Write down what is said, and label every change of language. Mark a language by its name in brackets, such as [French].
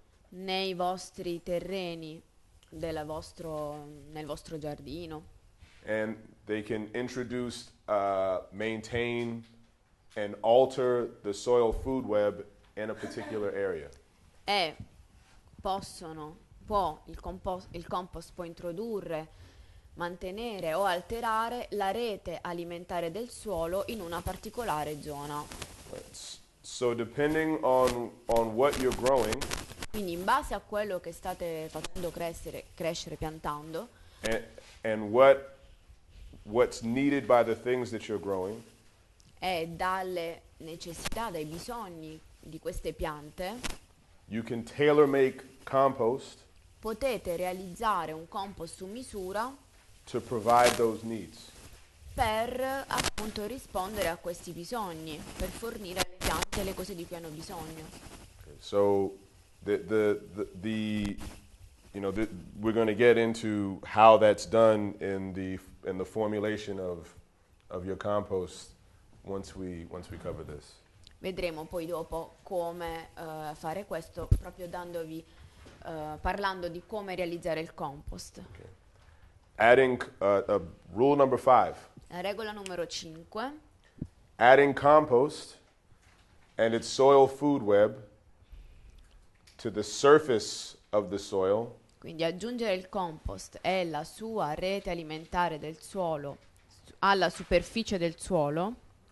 [Italian] Nei vostri terreni, della vostro, nel vostro giardino. [English] And they can introduce, maintain and alter the soil food web in a particular area. [Italian] E possono, può, il compost può introdurre, mantenere o alterare la rete alimentare del suolo in una particolare zona. [English] So depending on what you're growing. [Italian] Quindi in base a quello che state facendo crescere piantando. [English] And what's needed by the things that you're growing. [Italian] E dalle necessità, dai bisogni di queste piante. [English] You can tailor make compost. [Italian] Potete realizzare un compost su misura. [English] To provide those needs. [Italian] Per appunto rispondere a questi bisogni, per fornire alle piante le cose di cui hanno bisogno. [English] Okay, so the we're going to get into how that's done in the formulation of your compost once we cover this. [Italian] Vedremo poi dopo come fare questo, proprio dandovi parlando di come realizzare il compost. [English] Okay. Adding rule number 5. [Italian] La regola numero 5. [English] Adding compost and its soil food web to the surface of the soil. [Italian] Quindi aggiungere il compost e la sua rete alimentare del suolo alla superficie del suolo.